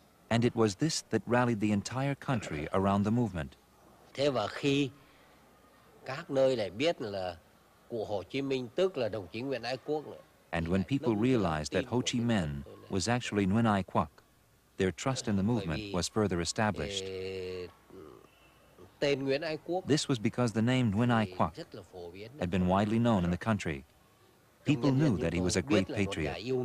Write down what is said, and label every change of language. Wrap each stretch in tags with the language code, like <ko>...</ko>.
<en>And And it was this that rallied the entire country around the movement.</en> <vi>Thế và khi các nơi lại biết là cụ Hồ Chí Minh tức là đồng chí Nguyễn Ái Quốc.</vi> <en>And when people realized that Ho Chi Minh was actually Nguyễn Ái Quốc, their trust in the movement was further established. This was because the name Nguyễn Ái Quốc had been widely known in the country. People knew that he was a great patriot.</en>